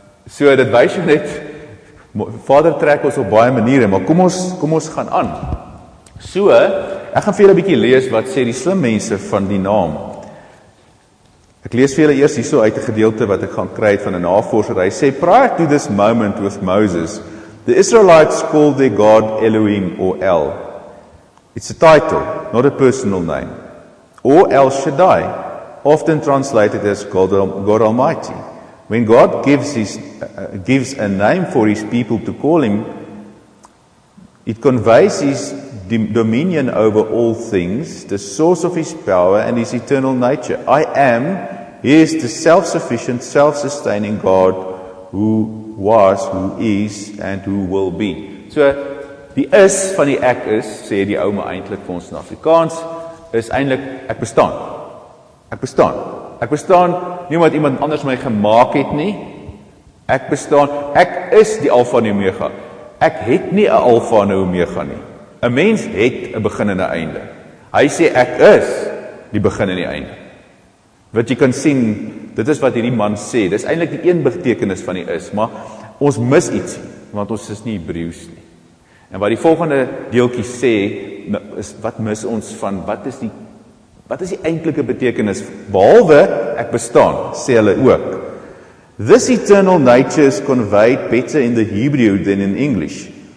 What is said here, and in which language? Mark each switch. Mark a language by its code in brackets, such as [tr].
[af] So, dit wys jou net, vader trek ons op baie maniere, maar kom ons gaan aan. So, ek gaan vir julle bietjie lees, wat sê die slim mense van die naam. Ek lees vir julle eers hierso uit die gedeelte, wat ek gaan kry het van die navorser. Hy sê, [en] prior to this moment with Moses, the Israelites called their God Elohim or El. It's a title, not a personal name. Or El Shaddai, often translated as God Almighty. When God gives a name for his people to call him, it conveys his dominion over all things, the source of his power and his eternal nature. I am, he is the self-sufficient, self-sustaining God who was, who is, and who will be. [af] So, die is van die ek is, sê die ouma eintlik vir ons in Afrikaans, is eintlik, ek bestaan. Ek bestaan. Ek bestaan nie omdat iemand anders my gemaak het nie. Ek bestaan, ek is die Alfa en Omega. Ek het nie 'n Alfa en Omega nie. 'N mens het 'n begin en 'n einde. Hy sê, ek is die begin en die einde. Wat jy kan sien, dit is wat hierdie man sê, dit is eintlik die een betekenis van die is, maar ons mis iets, want ons is nie Hebreeus nie. En wat die volgende deeltjie sê, is wat mis ons van, wat is die eintlike betekenis, behalwe ek bestaan, sê hulle ook. [en] This eternal nature is conveyed better in the Hebrew than in English.